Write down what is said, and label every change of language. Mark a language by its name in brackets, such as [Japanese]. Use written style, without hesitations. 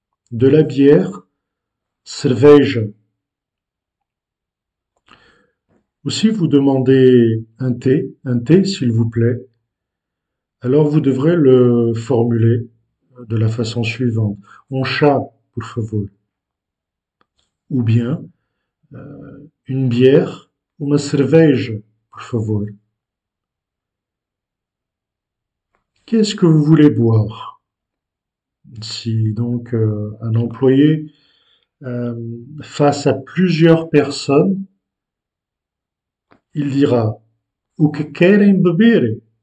[French] De la bière, [Portuguese] cerveja. [French] Aussi, vous demandez un thé, s'il vous plaît. Alors, vous devrez le formuler de la façon suivante: un [Portuguese] chá, por favor. [French] Ou bien, une bière, [Portuguese] uma cerveja, por favor. [French] Qu'est-ce que vous voulez boire? Si donc un employé face à plusieurs personnes, il dira [Portuguese] o que querem beber?